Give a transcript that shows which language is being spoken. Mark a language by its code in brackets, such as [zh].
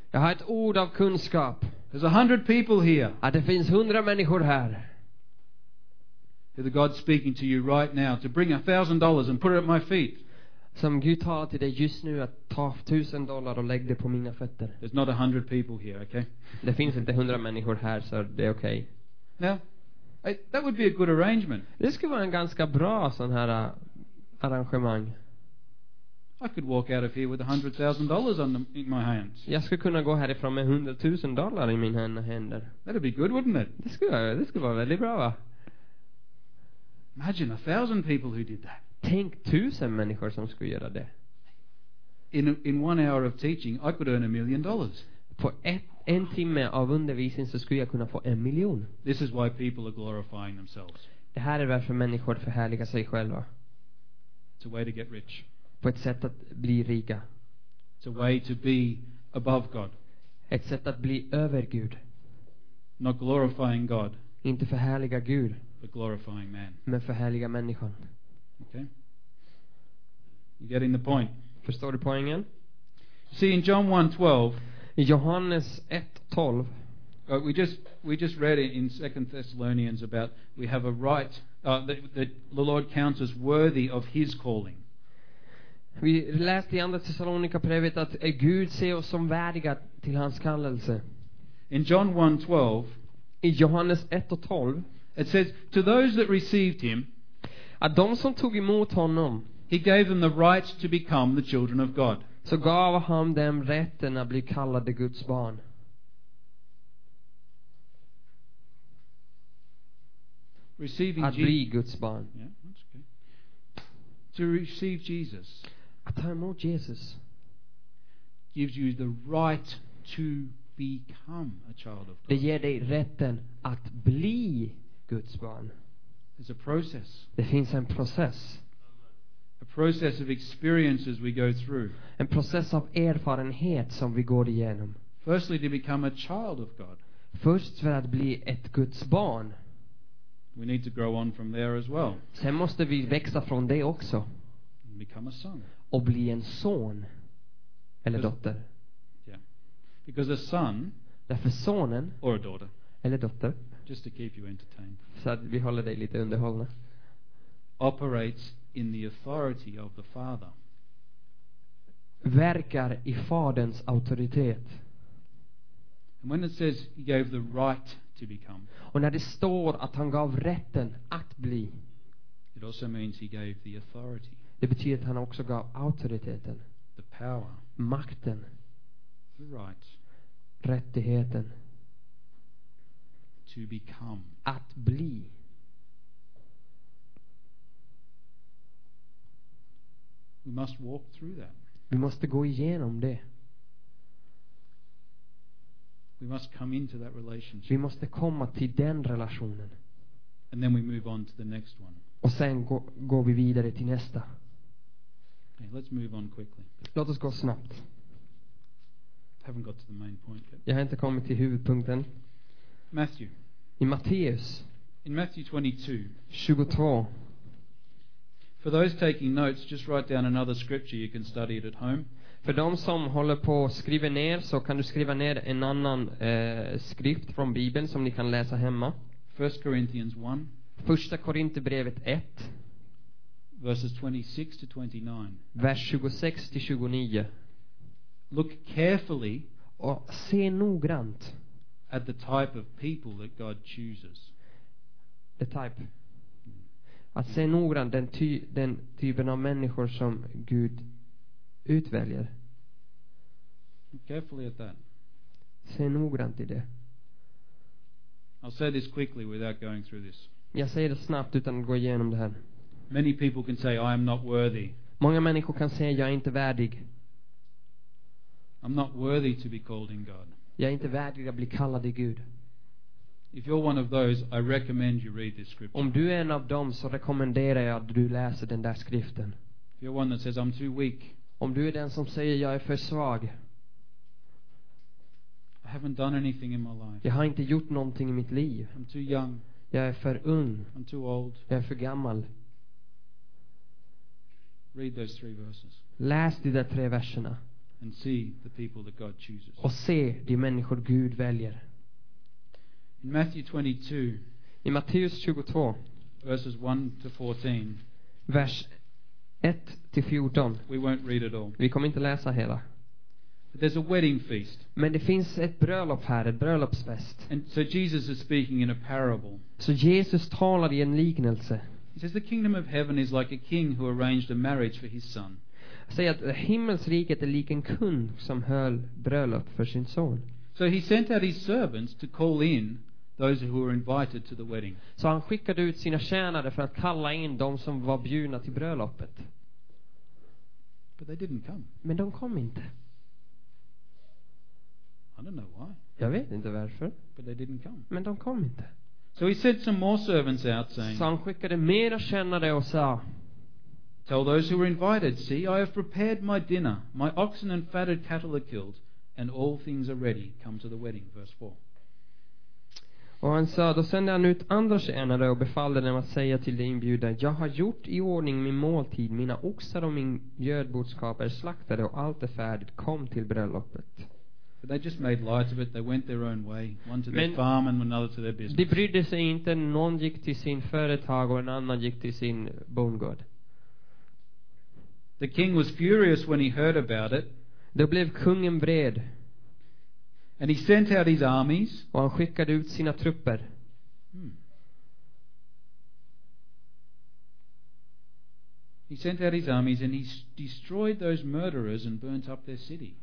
[sv] Jag har ett ord av kunskap. [en] There's 100 people here. [sv] Att det finns 100 människor här. [en] Hear the God speaking to you right now to bring $1,000 and put it at my feet. [sv] Som Gud talar till dig just nu att ta $1,000 och lägg det på mina fötter. [en] There's not 100 people here, okay? [sv] Det finns inte 100 människor här, så det är okej. [en] Now, that would be a good arrangement. [sv] Det skulle vara en ganska bra sån här arrangemang. [en] I could walk out of here with $100,000 in my hands. [sv] Jag skulle kunna gå härifrån med $100,000 i mina händer. [en] That'd be good, wouldn't it? [sv] Det skulle vara väldigt bra, va? [en] Imagine 1,000 people who did that. [sv] Tänk 1,000 människor som skulle göra det. [en] In 1 hour of teaching, I could earn $1,000,000. [sv] På en timme av undervisning så skulle jag kunna få en miljon. [en] This is why people are glorifying themselves. [sv] Det här är varför människor förhärligar sig själva. [en] It's a way to get rich. [sv] På ett sätt att bli rika. [en] It's a way to be above God. [sv] Ett sätt att bli över Gud. [en] Not glorifying God. [sv] Inte förhärliga Gud. [en] But glorifying man. [sv] Men förhärliga människan. [en] Okay. You getting the point? [sv] Förstår du poängen? [en] See, in John 1:12. [sv] I Johannes 1:12. [en] We just read it in 2 Thessalonians about we have a right that the Lord counts us worthy of His calling. [sv] Vi läste i andra Thessalonika brevet att Gud ser oss som värdiga till hans kallelse. [en] In John 1:12. [sv] I Johannes 1:12. [en] It says, to those that received him, [sv] att de som tog emot honom, [en] he gave them the right to become the children of God. [sv] Så gav han dem rätten att bli kallade Guds barn. [en] Receiving [sv] att bli Guds barn. [en] Yeah, that's okay. To receive Jesus. [sv] Att ta emot Jesus. [en] Gives you the right to become a child of God. [sv] Det ger dig rätten att bli Guds barn. [en] It's a process. [sv] Det finns en process. [en] A process of experiences we go through. [sv] En process av erfarenhet som vi går igenom. [en] Firstly, to become a child of God. [sv] Först för att bli ett Guds barn. [en] We need to grow on from there as well. [sv] Sen måste vi växa från det också. [en] And become a son. [sv] Och bli en son eller dotter. [en] Yeah. Because a son, [sv] därför sonen, [en] or a daughter, [sv] eller dotter, [en] just to keep you entertained. [sv] Så att vi håller dig lite underhållna. [en] Operates in the authority of the father. [sv] Verkar i faderns auktoritet. [en] And when it says he gave the right to become. [sv] Och när det står att han gav rätten att bli. [en] It also means he gave the authority. [sv] Det betyder att han också gav auktoriteten. [en] The power. [sv] Makten. [en] The right. [sv] Rättigheten. [en] To become. [sv] Att bli. [en] We must walk through that. [sv] Vi måste gå igenom det. [en] We must come into that relationship. [sv] Vi måste komma till den relationen. [en] And then we move on to the next one. [sv] Och sen går vi vidare till nästa. [en] Okay, let's move on quickly. [sv] Låt oss gå snabbt. [en] I haven't got to the main point yet. [sv] Jag har inte kommit till huvudpunkten. [en] Matthew. [sv] I Matteus. [en] In Matthew 22. [sv] 22. [en] For those taking notes, just write down another scripture. You can study it at home. [sv] För de som håller på att skriva ner, så kan du skriva ner en annan skrift från Bibeln som ni kan läsa hemma. [en] 1 Corinthians 1. [sv] Första Korinthierbrevet 1. [en] Verses 26 to 29. [sv] Vers 26 till 29. [en] Look carefully. [sv] Och se noggrant. [en] At the type of people that God chooses. The type. [sv] Att se noggrant den typen av människor som Gud utväljer. [en] Look carefully at that. [sv] Se noggrant i det. [en] I'll say this quickly without going through this. [sv] Jag säger det snabbt utan att gå igenom det här. [en] Many people can say I am not worthy. [sv] Många människor kan säga jag är inte värdig. [en] I'm not worthy to be called in God. [sv] Jag är inte värdig att bli kallad i Gud. [en] If you're one of those, I recommend you read this scripture. [sv] Om du är en av dem så rekommenderar jag att du läser den där skriften. [en] If you're one that says I'm too weak. [sv] Om du är den som säger jag är för svag. [en] I haven't done anything in my life. [sv] Jag har inte gjort någonting i mitt liv. [en] I'm too young. [sv] Jag är för ung. [en] I'm too old. [sv] Jag är för gammal. [en] Read those three verses. [sv] Läs de där tre verserna. [en] And see the people that God chooses. [sv] Och se de människor Gud väljer. [en] In Matthew 22. [sv] I Matteus 22. [en] Verses 1 to 14. [sv] Vers 1 till 14. [en] We won't read it all. [sv] Vi kommer inte läsa hela. [en] But there's a wedding feast. [sv] Men det finns ett bröllop här, ett bröllopsfest. [en] And so Jesus is speaking in a parable. [sv] Så Jesus talar i en liknelse. [en] He says the kingdom of heaven is like a king who arranged a marriage for his son. [sv] Säger att himmelsriket är lik en kung som höll bröllop för sin son. [en] So he sent out his servants to call in those who were invited to the wedding. [sv] Så han skickade ut sina tjänare för att kalla in de som var bjudna till bröllopet. [en] But they didn't come. [sv] Men de kom inte. [en] I don't know why. [sv] Jag vet inte varför. [en] But they didn't come. [sv] Men de kom inte. [en] So he sent some more servants out saying. [sv] Så han skickade mera tjänare och sa. [en] Tell those who were invited, see, I have prepared my dinner. My oxen and fatted cattle are killed, and all things are ready. Come to the wedding, verse 4. [sv] Och han sa, då sände han ut andra tjänare och befallde dem att säga till de inbjudna: jag har gjort i ordning min måltid, mina oxar och min gödboskap är slaktade och allt är färdigt, kom till bröllopet. [en] They just made light of it. They went their own way, one to their farm and another to their business. [sv] De brydde sig inte. Någon gick till sin företag och en annan gick till sin bondgård. [en] The king was furious when he heard about it. [sv] Då blev kungen vred. [en] And he sent out his armies. [sv] Och han skickade ut sina trupper. [en] He sent out his armies and he destroyed those murderers and burnt up their city.